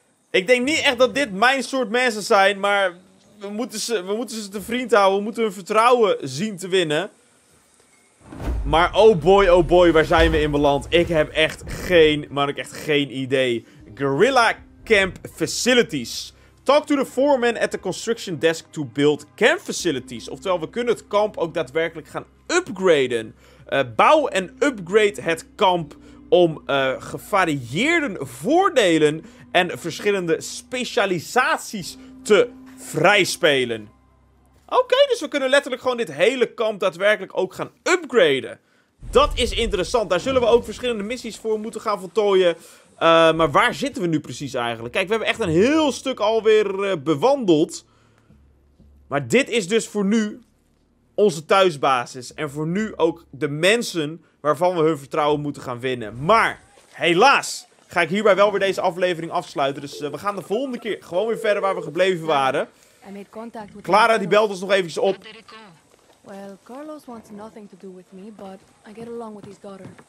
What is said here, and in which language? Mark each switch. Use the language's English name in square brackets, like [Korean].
[Dutch] Ik denk niet echt dat dit mijn soort mensen zijn, maar we moeten ze te vriend houden. We moeten hun vertrouwen zien te winnen. Maar oh boy, waar zijn we in beland? Ik heb echt geen idee. Guerrilla [English] camp facilities. Talk to the foreman at the construction desk to build camp facilities. [Dutch] Oftewel, we kunnen het kamp ook daadwerkelijk gaan upgraden. Bouw en upgrade het kamp om gevarieerde voordelen en verschillende specialisaties te vrijspelen. Oké, dus we kunnen letterlijk gewoon dit hele kamp daadwerkelijk ook gaan upgraden. Dat is interessant. Daar zullen we ook verschillende missies voor moeten gaan voltooien. Maar waar zitten we nu precies eigenlijk? Kijk, we hebben echt een heel stuk alweer bewandeld. Maar dit is dus voor nu onze thuisbasis. En voor nu ook de mensen waarvan we hun vertrouwen moeten gaan winnen. Maar helaas ga ik hierbij wel weer deze aflevering afsluiten. Dus we gaan de volgende keer gewoon weer verder waar we gebleven waren. Clara, die belt ons nog eventjes op. [English] Well, Carlos wants nothing to do with me, but I get along with his daughter.